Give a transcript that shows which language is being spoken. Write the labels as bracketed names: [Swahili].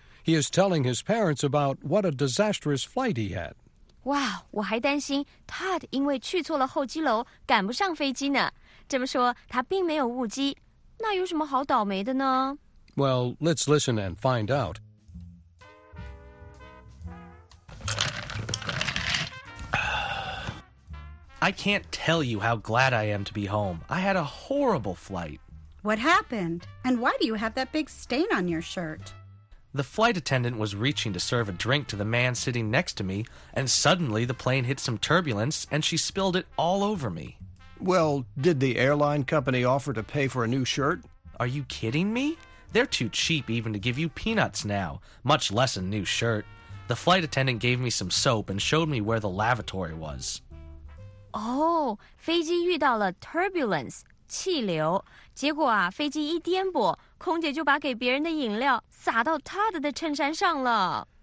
[English] He is telling his parents about what a disastrous flight he had. [Chinese] 哇，我还担心 Todd 因为去错了候机楼赶不上飞机呢。这么说他并没有误机，那有什么好倒霉的呢？ [English] Well, let's listen and find out. I can't tell you how glad I am to be home. I had a horrible flight. What happened? And why do you have that big stain on your shirt? The flight attendant was reaching to serve a drink to the man sitting next to me, and suddenly the plane hit some turbulence, and she spilled it all over me. Well, did the airline company offer to pay for a new shirt? Are you kidding me? They're too cheap even to give you peanuts now, much less a new shirt. The flight attendant gave me some soap and showed me where the lavatory was. [Chinese] Oh, 飞机遇到了 turbulence, 气流。结果啊，飞机一颠簸，空姐就把给别人的饮料洒到 Todd 的衬衫上了。